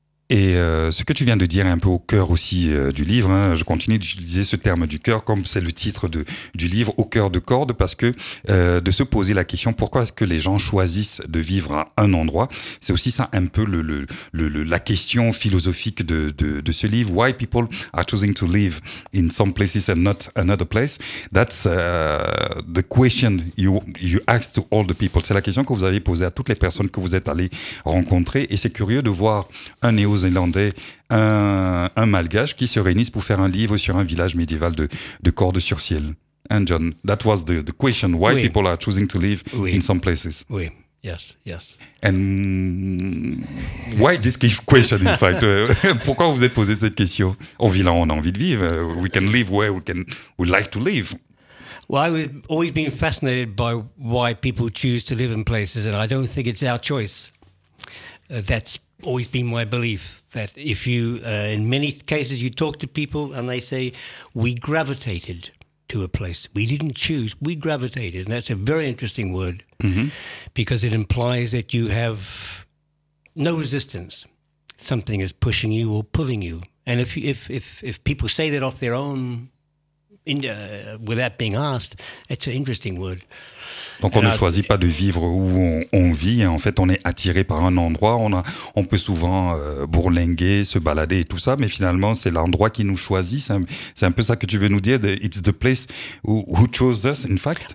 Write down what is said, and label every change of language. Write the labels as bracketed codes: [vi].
[fr] Et ce que tu viens de dire est un peu au cœur aussi du livre. Hein, je continue d'utiliser ce terme du cœur comme c'est le titre du livre, Au cœur de Cordes, parce que de se poser la question pourquoi est-ce que les gens choisissent de vivre à un endroit, c'est aussi ça un peu la question philosophique de ce livre. [en] Why people are choosing to live in some places and not another place? That's the question you asked to all the people. [fr] C'est la question que vous avez posée à toutes les personnes que vous êtes allées rencontrer. Et c'est curieux de voir un néo-zélandais, un malgache qui se réunissent pour faire un livre sur un village médiéval de Cordes-sur-Ciel. [en] And John, that was the question, why oui. people are choosing to live oui. in some places. [fr] Oui, [en] yes, yes. And why this question, in fact? [fr] Pourquoi vous êtes posé cette question? Au village, on a envie de vivre. [en] We can live where we like to live. Well, I've always been fascinated by why people choose to live in places, and I don't think it's our choice. That's always been my belief that if you, in many cases, you talk to people and they say, we gravitated to a place. We didn't choose, we gravitated. And that's a very interesting word because it implies that you have no resistance. Something is pushing you or pulling you. And if people say that off their own, without being asked, it's an interesting word. [fr] Donc on ne choisit pas de vivre où on vit. En fait, on est attiré par un endroit. On peut souvent bourlinguer, se balader et tout ça. Mais finalement, c'est l'endroit qui nous choisit. C'est un peu ça que tu veux nous dire. [en] It's the place who chose us, in fact.